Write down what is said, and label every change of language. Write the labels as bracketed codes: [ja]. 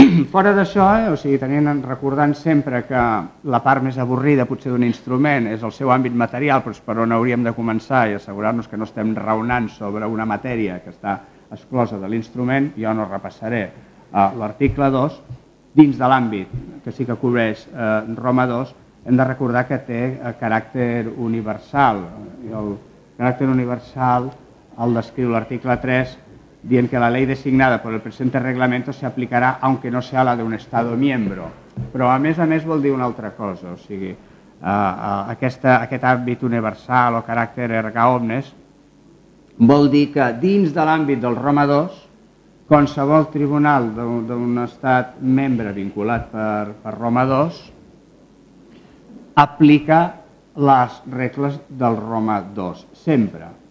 [ca] Fora d'això, recordant sempre que la part més avorrida potser d'un instrument és el seu àmbit material, però és per on hauríem de començar i assegurar-nos que no estem raonant sobre una matèria que està exclosa de l'instrument, jo no repassaré l'article 2. Dins de l'àmbit que sí que cobreix Roma II, hem de recordar que té caràcter universal. El caràcter universal el descriu l'article 3, dient que [es] la ley designada por el presente reglamento se aplicará aunque no sea la de un Estado miembro. [ca] Però a més vol dir una altra cosa, aquest àmbit universal o caràcter erga omnes vol dir que dins de l'àmbit del Roma II, qualsevol tribunal d'un Estat membre vinculat per Roma II aplica les regles del Roma II, sempre.